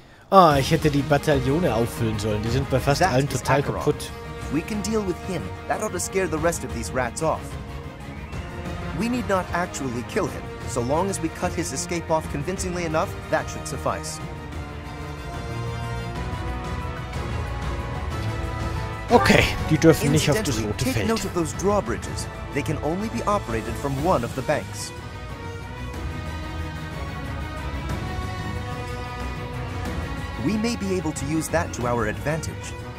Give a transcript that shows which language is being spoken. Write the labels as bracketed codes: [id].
[de] Ah, ich hätte die Bataillone auffüllen sollen. Die sind bei fast allen total kaputt. [en] We can deal with him. That ought to scare the rest of these rats off. We need not actually kill him. So long as we cut his escape off convincingly enough, that should suffice. [de] Okay, die dürfen nicht auf das rote Feld. [en] Take note of those drawbridges. They can only be operated from one of the banks. We may be able to use that to our advantage.